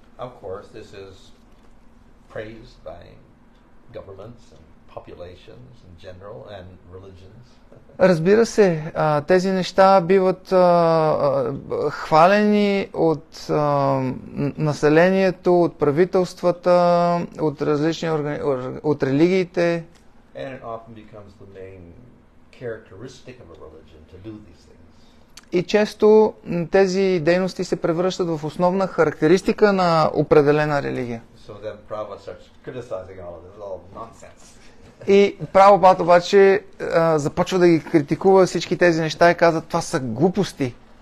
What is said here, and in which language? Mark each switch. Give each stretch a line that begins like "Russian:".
English: Of course, this is praised by governments and populations in general and religions.
Bulgarian: Разбира се, тези неща биват хвалени от населението, от правителствата, от различни от религиите.
English: And it often becomes the main characteristic of a religion to do these things.
Bulgarian: И често тези дейности се превръщат в основна характеристика на определена религия.
English: So then Prabhupada starts criticizing all of this, all nonsense.
Bulgarian: И Прабхупад обаче започва да ги критикува всички тези неща и казва, това са глупости.